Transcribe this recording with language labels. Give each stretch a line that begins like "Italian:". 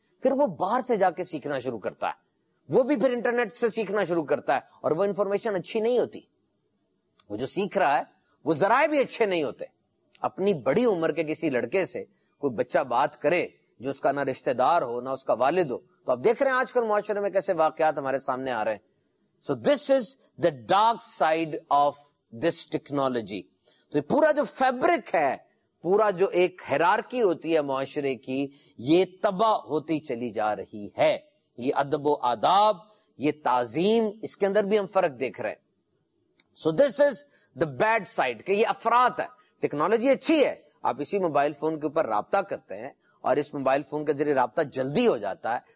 Urdu: پھر وہ باہر سے جا کے سیکھنا شروع کرتا ہے, وہ بھی پھر انٹرنیٹ سے سیکھنا شروع کرتا ہے, اور وہ انفارمیشن اچھی نہیں ہوتی. وہ جو سیکھ رہا ہے وہ ذرائع بھی اچھے نہیں ہوتے. اپنی بڑی عمر کے کسی لڑکے سے کوئی بچہ بات کرے جو اس کا نہ رشتہ دار ہو, نہ اس کا والد ہو, تو آپ دیکھ رہے ہیں آج کل معاشرے میں کیسے واقعات ہمارے سامنے آ رہے ہیں.
English: So this is the dark side of this technology.
Urdu: تو یہ پورا جو فیبرک ہے, پورا جو ایک ہیرارکی ہوتی ہے معاشرے کی, یہ تباہ ہوتی چلی جا رہی ہے. یہ ادب و آداب, یہ تعظیم, اس کے اندر بھی ہم فرق دیکھ رہے ہیں.
English: so this is the bad side,
Urdu: کہ یہ افراد ہے. ٹیکنالوجی اچھی ہے, آپ اسی موبائل فون کے اوپر رابطہ کرتے ہیں, اور اس موبائل فون کے ذریعے رابطہ جلدی ہو جاتا ہے.